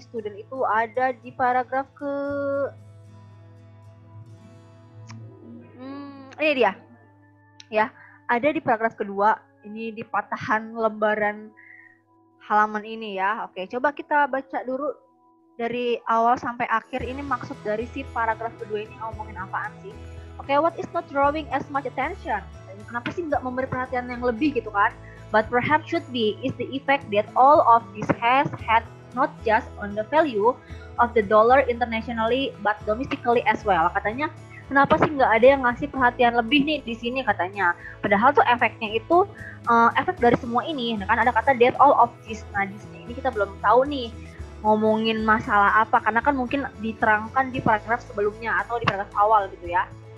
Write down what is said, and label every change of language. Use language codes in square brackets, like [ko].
[id] Student itu ada di paragraf ke ini dia. Ya, ada di paragraf kedua. Ini di patahan lembaran halaman ini ya. Oke, coba kita baca dulu dari awal sampai akhir. Ini maksud dari si paragraf kedua ini ngomongin apaan sih? [en] Oke, what is not drawing as much attention? [id] Kenapa sih nggak memberi perhatian yang lebih gitu kan? [en] But perhaps should be is the effect that all of this has had not just on the value of the dollar internationally but domestically as well. [id] Katanya, kenapa sih nggak ada yang ngasih perhatian lebih nih di sini katanya. Padahal tuh efeknya itu efek dari semua ini. Kan ada kata [en] that all of this. [id] Nah di sini ini kita belum tahu nih ngomongin masalah apa. Karena kan mungkin diterangkan di paragraf sebelumnya atau di paragraf awal gitu ya.